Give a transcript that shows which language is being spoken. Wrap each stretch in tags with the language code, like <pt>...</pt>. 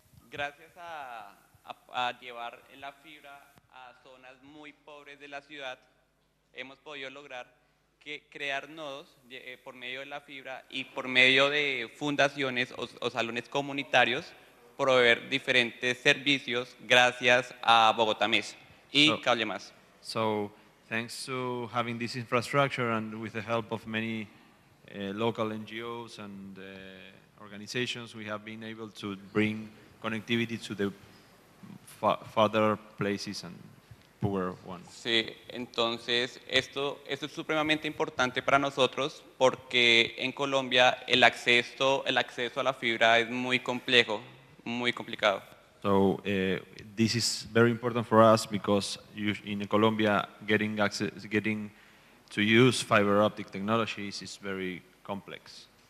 <es>Gracias a llevar la fibra a zonas muy pobres de la ciudad, hemos podido lograr que crear nodos por medio de la fibra y por medio de fundaciones o salones comunitarios proveer diferentes servicios gracias a Bogotá Mesh y Cable Más.</es> <en>So, thanks to having this infrastructure and with the help of many local NGOs and organizations, we have been able to bring connectivity to the farther places and poorer ones.</en> <es>Sí, entonces esto es supremamente importante para nosotros porque en Colombia el acceso a la fibra es muy complejo, muy complicado.</es> <en>So this is very important for us because in Colombia getting to use fiber optic technologies is very complex.</en>